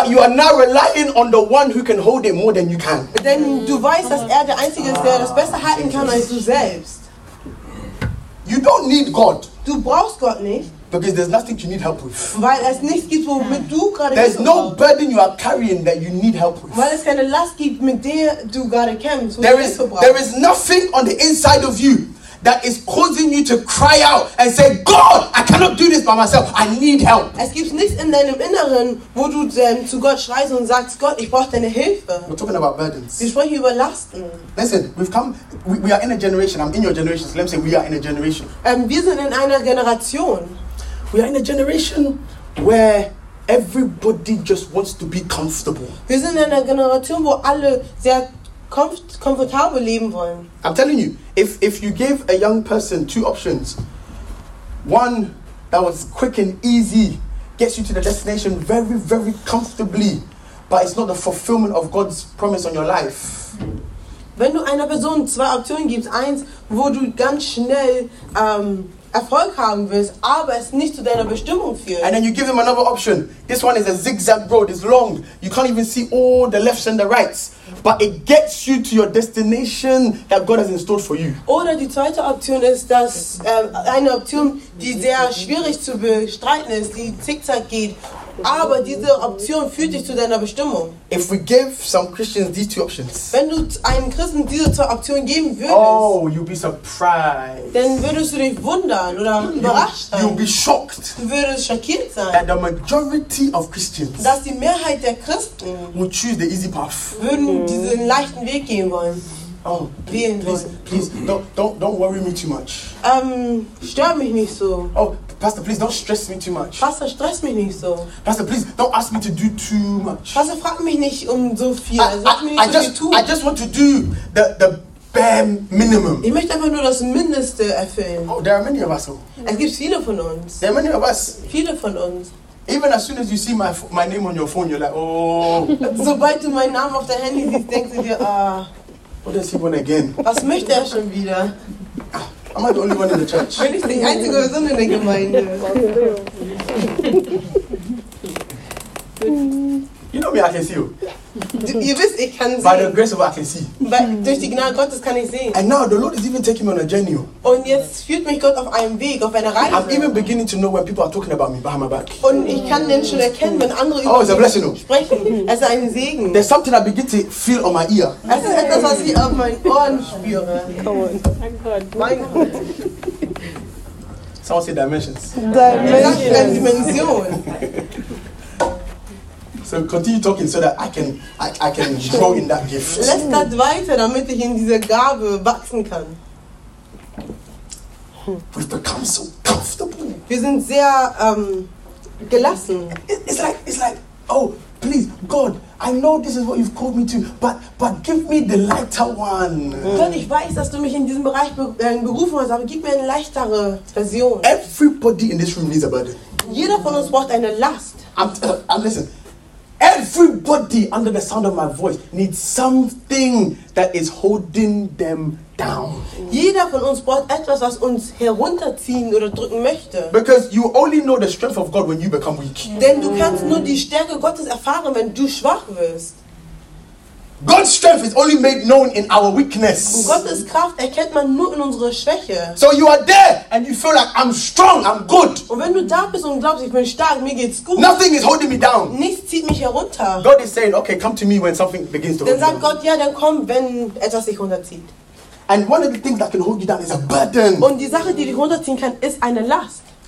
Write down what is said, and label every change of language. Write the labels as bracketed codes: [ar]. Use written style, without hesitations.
[en] But you are now relying on the one who can hold it more than you can. [de] Denn du weißt, dass der Einzige ist, der das besser halten kann als du selbst. [en] You don't need God. [de] Du brauchst Gott nicht. [en] Because there's nothing you need help with. [de] Weil es nichts gibt, womit du gerade. [en] There's no burden you are carrying that you need help with. [de] Weil es keine Last gibt, mit der du gerade kämpfst. [en] There is nothing on the inside of you that is causing you to cry out and say, God, I cannot do this by myself. I need help. [de] Es gibt nichts in deinem Inneren, wo du zu Gott schreist und sagst, Gott, ich brauche deine Hilfe. [en] We're talking about burdens. [de] Wir sprechen über Lasten. [en] Listen, we've come. We are in a generation. I'm in your generation. So let me say, we are in a generation. [de] Wir sind in einer Generation. [en] We are in a generation where everybody just wants to be comfortable. [de] Wir sind in einer Generation, wo alle sehr komfortabel leben wollen. [en] I'm telling you, if you gave a young person two options, one that was quick and easy, gets you to the destination very, very comfortably, but it's not the fulfillment of God's promise on your life. [de] Wenn du einer Person zwei Optionen gibst, eins, wo du ganz schnell Erfolg haben willst, aber es nicht zu deiner Bestimmung führt. [en] And then you give him another option. This one is a zigzag road. It's long. You can't even see all the lefts and the rights. But it gets you to your destination that God has in store for you. [de] Oder die zweite Option ist, dass eine Option, die sehr schwierig zu bestreiten ist, die zigzag geht. Aber diese Option führt dich zu deiner Bestimmung. [en] If we give some Christians these two options, [de] wenn du einem Christen diese zwei Optionen geben würdest, [en] oh, you'll be surprised. [de] Dann würdest du dich wundern oder überrascht sein. [en] You'll be shocked. [de] Du würdest schockiert sein. [en] That the majority of Christians, [de] dass die Mehrheit der Christen, [en] will choose the easy path. [de] Würden diesen leichten Weg gehen wollen. [en] Oh, please, don't worry me too much. [de] Stör mich nicht so. [en] Oh, Pastor, please don't stress me too much. [de] Pastor, stress mich nicht so. [en] Pastor, please don't ask me to do too much. [de] Pastor, frag mich nicht so viel. Sag mir nicht so viel. [en] I just want to do the bare minimum. [de] Ich möchte einfach nur das Mindeste erfüllen. [en] Oh, there are many of us. [de] Es gibt viele von uns. [en] There are many of us. [de] Viele von uns. [en] Even as soon as you see my name on your phone, you're like, oh. [de] Sobald du meinen Namen auf dein Handy siehst, denkst du dir, [en] what does he want again? [de] Was möchte schon wieder? [en] Am I the only one in the church? [de] Bin ich die einzige Person in der Gemeinde? [en] You know me, I can see you. [de] Ihr wisst, ich kann sehen. [en] By the grace of God, I can see. [de] Durch die Gnade Gottes kann ich sehen. [en] And now the Lord is even taking me on a journey. [de] Und jetzt führt mich Gott auf einem Weg, auf einer Reise. [en] I'm even beginning to know when people are talking about me behind my back. [de] Und ich kann dann schon erkennen, wenn andere über mich sprechen. Es ist ein Segen. [en] There's something I begin to feel on my ear. [de] Es ist etwas, was ich auf meinen Ohren spüre. [en] Come on. [de] Mein Gott. [en] Someone say dimensions. Dimensions. Dimension. So continue talking so that I can grow in that gift. [de] Lass das weiter, damit ich in dieser Gabe wachsen kann. [en] We've become so comfortable. [de] Wir sind sehr gelassen. [en] It's like, oh, please, God, I know this is what you've called me to, but give me the lighter one. [de] Gott, ich weiß, dass du mich in diesem Bereich berufen hast, aber gib mir eine leichtere Version. [en] Everybody in this room needs a burden. [de] Jeder von uns braucht eine Last. [en] And listen. Everybody under the sound of my voice needs something that is holding them down. [de] Jeder von uns braucht etwas, was uns herunterziehen oder drücken möchte. [en] Because you only know the strength of God when you become weak. [de] Denn du kannst nur die Stärke Gottes erfahren, wenn du schwach wirst. [en] God's strength is only made known in our weakness. [de] Gottes Kraft erkennt man nur in unserer Schwäche. [en] So you are there and you feel like I'm strong, I'm good. [de] Und wenn du da bist und glaubst, ich bin stark, mir geht's gut. [en] Nothing is holding me down. [de] Nichts zieht mich herunter. [en] God is saying, okay, come to me when something begins to hold you down. [de] Dann sagt Gott, ja, dann komm, wenn etwas sich runterzieht. [en] And one of the things that can hold you down is a burden. [de] Und die Sache, die dich runterziehen kann, ist eine Last.